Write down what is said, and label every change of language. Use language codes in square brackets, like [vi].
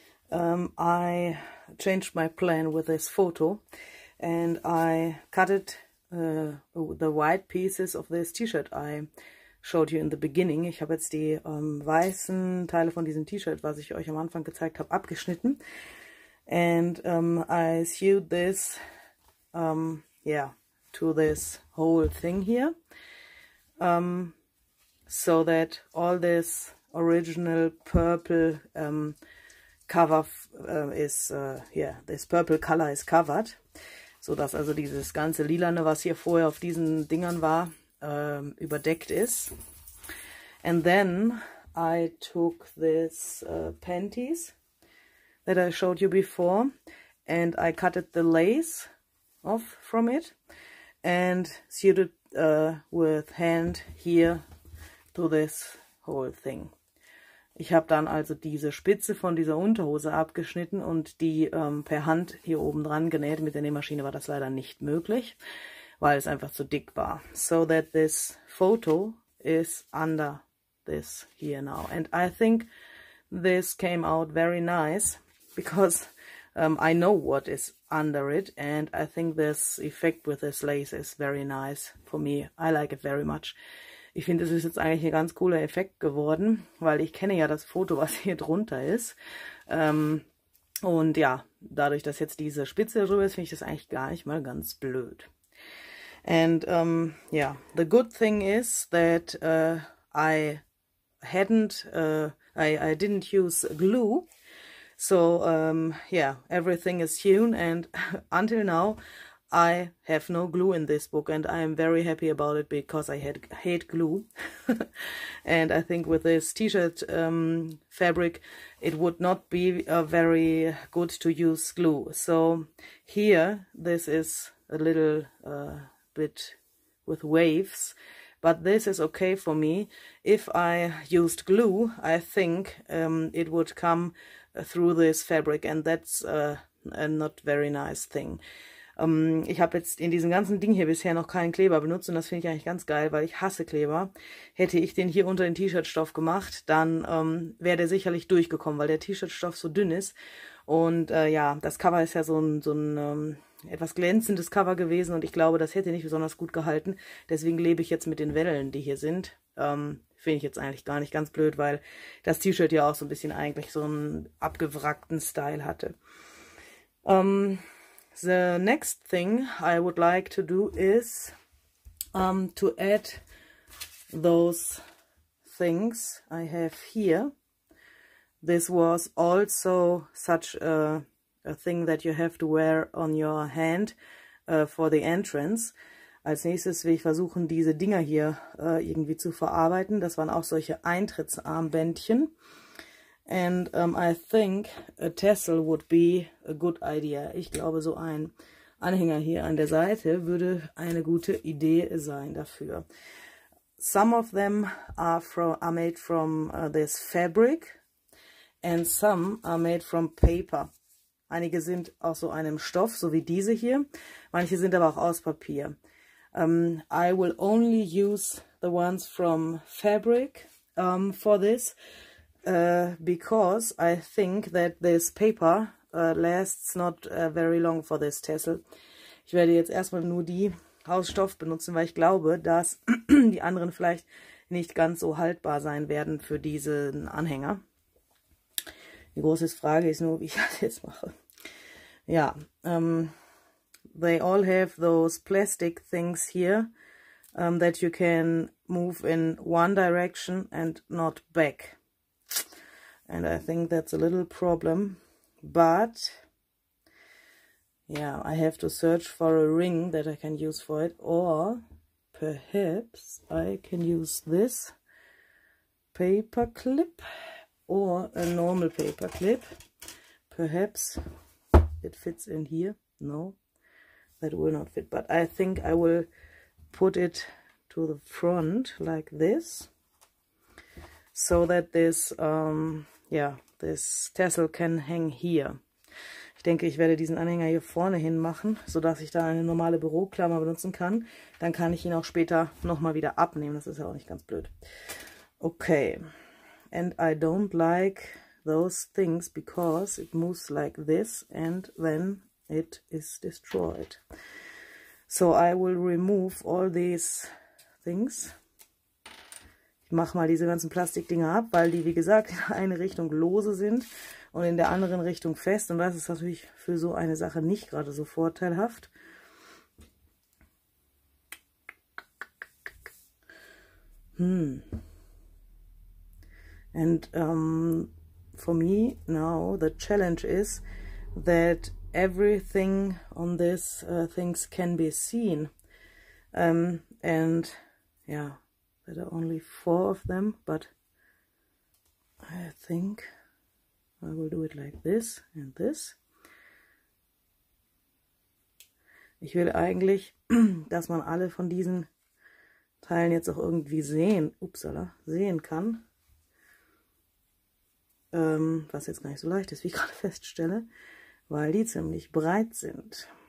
[en] I changed my plan with this photo and I cut it the white pieces of this T-shirt I showed you in the beginning. [de] Ich habe jetzt die weißen Teile von diesem T-Shirt, was ich euch am Anfang gezeigt habe, abgeschnitten. [en] And I sewed this yeah to this whole thing here. So that all this original purple cover is yeah, this purple color is covered, [de] so dass also dieses ganze Lilane, was hier vorher auf diesen Dingern war, überdeckt ist. [en] And then I took this panties that I showed you before, and I cut the lace off from it and sewed it with hand here to this whole thing. [de] Ich habe dann also diese Spitze von dieser Unterhose abgeschnitten und die per Hand hier oben dran genäht. Mit der Nähmaschine war das leider nicht möglich, weil es einfach zu dick war. [en] So that this photo is under this here now. And I think this came out very nice, because I know what is under it, and I think this effect with this lace is very nice for me. I like it very much. [de] Ich finde, es ist jetzt eigentlich ein ganz cooler Effekt geworden, weil ich kenne ja das Foto, was hier drunter ist. Und ja, dadurch, dass jetzt diese Spitze drüber ist, finde ich das eigentlich gar nicht mal ganz blöd. [en] And yeah, the good thing is that I didn't use glue. So, yeah, everything is hewn, and until now I have no glue in this book, and I am very happy about it, because I hate glue. And I think with this T-shirt fabric, it would not be very good to use glue. So here, this is a little bit with waves, but this is okay for me. If I used glue, I think it would come through this fabric, and that's a not very nice thing. [de] Ich habe jetzt in diesem ganzen Ding hier bisher noch keinen Kleber benutzt, und das finde ich eigentlich ganz geil, weil ich hasse Kleber. Hätte ich den hier unter den T-Shirt-Stoff gemacht, dann wäre der sicherlich durchgekommen, weil der T-Shirt-Stoff so dünn ist. Und ja, das Cover ist ja so ein etwas glänzendes Cover gewesen, und ich glaube, das hätte nicht besonders gut gehalten. Deswegen lebe ich jetzt mit den Wellen, die hier sind. Finde ich jetzt eigentlich gar nicht ganz blöd, weil das T-Shirt ja auch so ein bisschen eigentlich so einen abgewrackten Style hatte. [en] The next thing I would like to do is to add those things I have here. This was also such a thing that you have to wear on your hand for the entrance. [de] Als nächstes will ich versuchen, diese Dinger hier irgendwie zu verarbeiten. Das waren auch solche Eintrittsarmbändchen. [en] And I think a tassel would be a good idea. [de] Ich glaube, so ein Anhänger hier an der Seite würde eine gute Idee sein dafür. [en] Some of them are made from this fabric and some are made from paper. [de] Einige sind aus so einem Stoff, so wie diese hier. Manche sind aber auch aus Papier. [en] I will only use the ones from fabric for this because I think that this paper lasts not very long for this tassel. [de] Ich werde jetzt erstmal nur die aus Stoff benutzen, weil ich glaube, dass die anderen vielleicht nicht ganz so haltbar sein werden für diesen Anhänger. Die große Frage ist nur, wie ich das jetzt mache. [en] Ja, they all have those plastic things here that you can move in one direction and not back. And I think that's a little problem. But yeah, I have to search for a ring that I can use for it. Or perhaps I can use this paper clip or a normal paper clip. Perhaps it fits in here. No, that will not fit. But I think I will put it to the front like this so that this, this tassel can hang here. [de] Ich denke, ich werde diesen Anhänger hier vorne hin machen, sodass ich da eine normale Büroklammer benutzen kann. Dann kann ich ihn auch später nochmal wieder abnehmen. Das ist ja auch nicht ganz blöd. Okay. [en] And I don't like those things because it moves like this and then it is destroyed. So I will remove all these things. [de] Ich mache mal diese ganzen Plastikdinger ab, weil die, wie gesagt, in eine Richtung lose sind. Und in der anderen Richtung fest. Und das ist natürlich für so eine Sache nicht gerade so vorteilhaft. [en] And for me now the challenge is that everything on this things can be seen. And yeah, there are only four of them, but I think I will do it like this and this. [de] Ich will eigentlich, dass man alle von diesen Teilen jetzt auch irgendwie sehen, upsala, sehen kann. Was jetzt gar nicht so leicht ist, wie ich gerade feststelle, weil die ziemlich breit sind.